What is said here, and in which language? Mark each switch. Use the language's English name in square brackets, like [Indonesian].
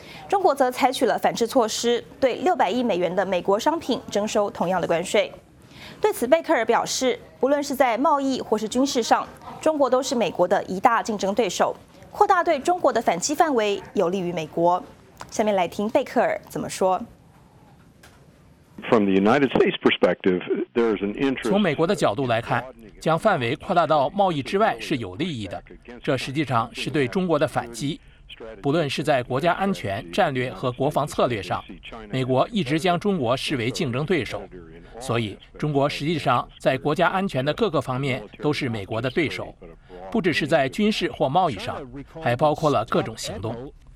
[Chinese] 中国则采取了反制措施，对600亿美元的美国商品征收同样的关税。对此，贝克尔表示，不论是在贸易或是军事上，中国都是美国的一大竞争对手，扩大对中国的反击范围有利于美国。下面来听贝克尔怎么说。 [English] From the United States perspective, there is an interest. [Chinese] 从美国的角度来看，将范围扩大到贸易之外是有利益的，这实际上是对中国的反击。不论是在国家安全战略和国防策略上，美国一直将中国视为竞争对手，所以中国实际上在国家安全的各个方面都是美国的对手，不只是在军事或贸易上，还包括了各种行动。